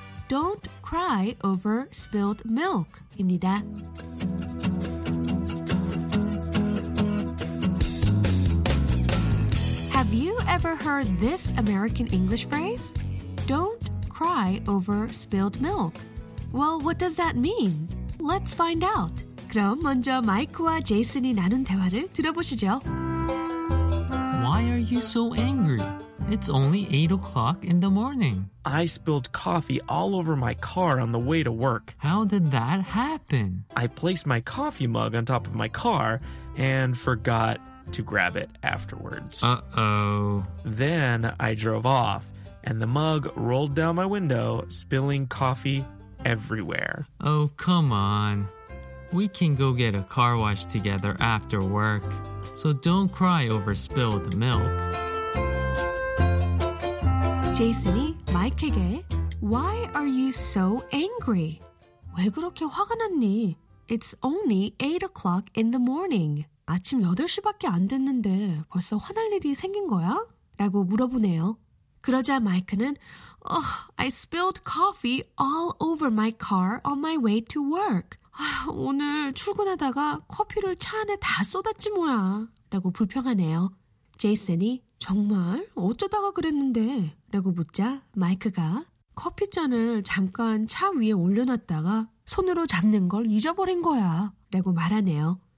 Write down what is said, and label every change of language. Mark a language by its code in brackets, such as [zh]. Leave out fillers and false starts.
[en] Don't cry over spilled milk입니다. 그럼 this American English phrase? Don't cry over spilled milk. Well, what does that mean? Let's find out. [ko] 그럼 먼저 마이크와 제이슨이 나눈 대화를 들어보시죠. [en] Why are you so angry? It's only 8 o'clock in the morning. I spilled coffee all over my car on the way to work. How did that happen? I placed my coffee mug on top of my car and forgot to grab it afterwards. Uh-oh. Then I drove off, and the mug rolled down my window, spilling coffee everywhere. Oh, come on. We can go get a car wash together after work. So don't cry over spilled milk. [ko] Jason이 마이크에게, [en] Why are you so angry? [ko] 왜 그렇게 화가 났니? [en] It's only 8 o'clock in the morning. [ko] 아침 8시밖에 안 됐는데 벌써 화날 일이 생긴 거야? 라고 물어보네요. 그러자 마이크는 [en] Oh, I spilled coffee all over my car on my way to work. [ko] 오늘 출근하다가 커피를 차 안에 다 쏟았지 뭐야. 라고 불평하네요. 제이슨이 정말 어쩌다가 그랬는데? 라고 묻자 마이크가 커피잔을 잠깐 차 위에 올려놨다가 손으로 잡는 걸 잊어버린 거야. 라고 말하네요.